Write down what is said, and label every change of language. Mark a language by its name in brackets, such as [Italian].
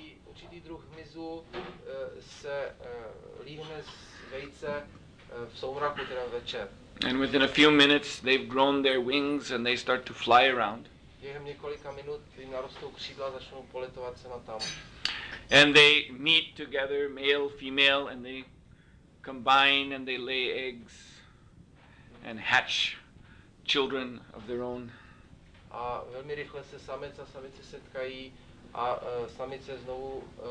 [Czech] Určitý druh hmyzu se líhne z vejce v soumraku, teda večer. [English] And within a few minutes they've grown their wings and they start to fly around. [Czech] Během několika minut jim narostou křídla a začnou poletovat sem a tam. [English] And they meet together, male, female, and they combine and they lay eggs and hatch children of their own. [Czech] A velmi rychle se samec a samice setkají a samice znovu